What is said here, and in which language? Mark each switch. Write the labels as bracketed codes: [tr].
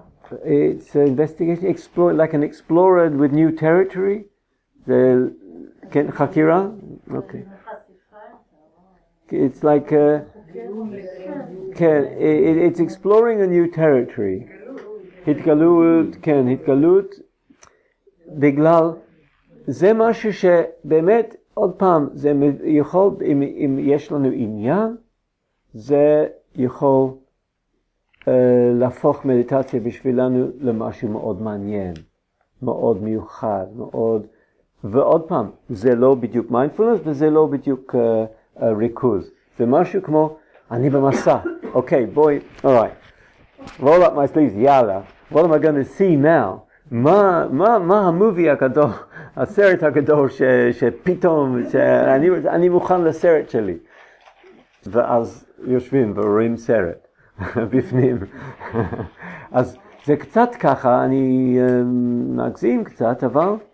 [en] It's an investigation, explore, like an explorer with new territory. [he] The, כן, חקירה? [en] Okay. It's like, כן, it's exploring a new territory. [he] התגלות, כן, התגלות. בגלל, זה משהו שבאמת, עוד פעם, זה יכול, אם יש לנו עניין, זה יכול להפוך מדיטציה בשבילנו למשהו מאוד מעניין, מאוד מיוחד, מאוד, ועוד פעם, זה לא בדיוק מיינדפולנס, וזה לא בדיוק ריכוז. זה משהו כמו, אני במסע, אוקיי, בואי, אורייט, [en] roll up my sleeves, [he] יאללה, [en] what am I going to see now? [he] מה המובי הגדול, הסרט הגדול שפתאום, שאני מוכן לסרט שלי. ואז יושבים ורואים סרט. בפנים. אז זה קצת ככה, אני מגזים קצת, אבל